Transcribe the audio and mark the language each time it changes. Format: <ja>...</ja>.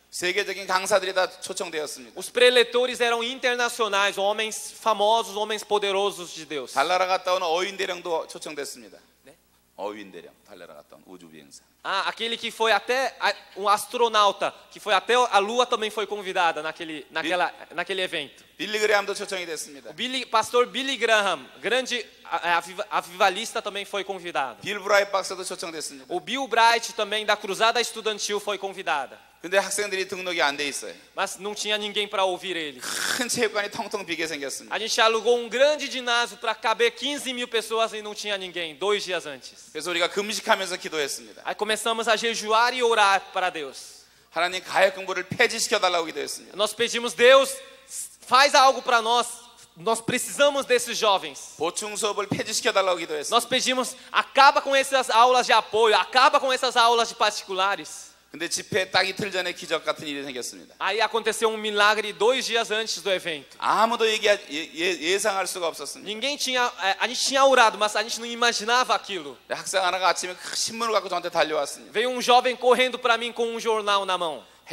<ko>세계적인 강사들이 다 초청되었습니다.</ko> <pt>Os preletores eram internacionais, homens famosos, homens poderosos de Deus.</pt> <ko>달나라 갔다 온 어윈 대령도 초청됐습니다. 네? 어윈 대령, 달나라 갔다 온 우주 비행사.</ko> <pt>Ah, aquele que foi até um astronauta, que foi até a Lua também foi convidada naquele evento.</pt> <ko>Billy Graham도 초청이 됐습니다.</ko> <pt>Pastor Billy Graham, grande avivalista também foi convidado.</pt> <ko>Bill Bright 박사도 초청됐습니다.</ko> <pt>O Bill Bright também da Cruzada Estudantil foi convidada.</pt> <ko>근데 학생들이 등록이 안 돼 있어요.</ko> <pt>Mas não tinha ninguém para ouvir ele.</pt> <ko>큰 체육관이 텅텅 비게 생겼습니다.</ko> <pt>A gente alugou um grande ginásio para caber 15,000 pessoas e não tinha ninguém dois dias antes.</pt> <ko>그래서 우리가 금식하면서 기도했습니다.</ko> <pt>Aí começamos a jejuar e orar para Deus.</pt> <ko>하나님 가해 공부를 폐지시켜 달라고 기도했습니다.</ko> <pt>Nós pedimos Deus, faz algo para nós. Nós precisamos desses jovens.</pt> <ko>보충 수업을 폐지시켜 달라고 기도했습니다.</ko> <pt>Nós pedimos, acaba com essas aulas de apoio, acaba com essas aulas de particulares.</pt> <ko>근데 집회 딱 이틀 전에 기적 같은 일이 생겼습니다.</ko> <pt>Aí aconteceu um milagre dois dias antes do evento.</pt> <ko>아무도 예상할 수가 없었습니다.</ko> <pt>Ninguém tinha, a gente tinha orado, mas a gente não imaginava aquilo.</pt> <ko>학생 하나가 아침에 신문을 갖고 저한테 달려왔습니다.</ko> <pt>Veio um jovem correndo para mim com um jornal na mão.</pt>